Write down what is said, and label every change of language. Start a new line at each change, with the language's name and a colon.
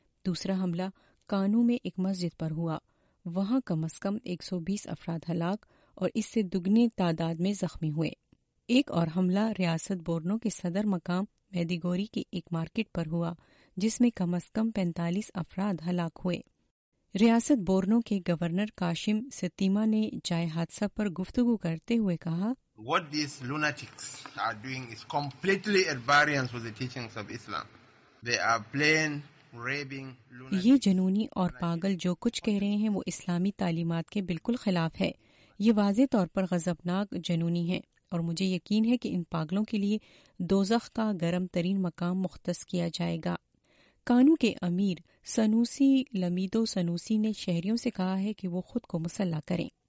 Urdu: دوسرا حملہ کانو میں ایک مسجد پر ہوا. وہاں کم از کم 120 افراد ہلاک اور اس سے دگنی تعداد میں زخمی ہوئے. ایک اور حملہ ریاست بورنو کے صدر مقام میدیگوری کے ایک مارکیٹ پر ہوا جس میں کم از کم 45 افراد ہلاک ہوئے. ریاست بورنو کے گورنر کاشم ستیما نے جائے حادثہ پر گفتگو کرتے ہوئے کہا,
English: What these lunatics are doing is completely at variance with the teachings of Islam. They are plain raving lunatics.
Urdu: یہ جنونی اور پاگل جو کچھ کہہ رہے ہیں وہ اسلامی تعلیمات کے بالکل خلاف ہے. یہ واضح طور پر غضبناک جنونی ہیں اور مجھے یقین ہے کہ ان پاگلوں کے لیے دوزخ کا گرم ترین مقام مختص کیا جائے گا. کانو کے امیر سنوسی لمیدو سنوسی نے شہریوں سے کہا ہے کہ وہ خود کو مسلح کریں.